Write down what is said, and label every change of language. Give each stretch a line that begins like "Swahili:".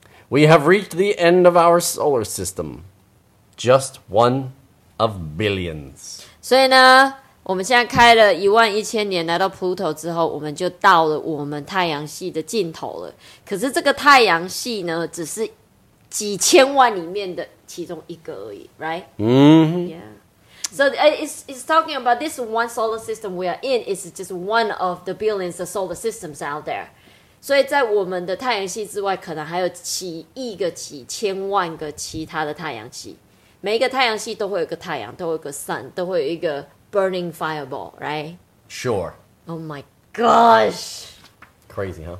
English: We have reached the end of our solar system. Just one of billions.
Chinese: 所以呢我们现在开了一万一千年来到 Pluto 之后我们就到了我们太阳系的尽头了可是这个太阳系呢只是几千万里面的其中一个而已 right? Mm-hmm.
English: Yeah. So it's talking about this one solar system we are in is just one of the billions of solar systems out there.
Chinese: 所以在我们的太阳系之外，可能还有几亿个、几千万个其他的太阳系。每一个太阳系都会有个太阳，都会有个 sun， 都会有一个
English: burning fireball，
Chinese: right？
English: Sure. Oh my gosh. Crazy, huh?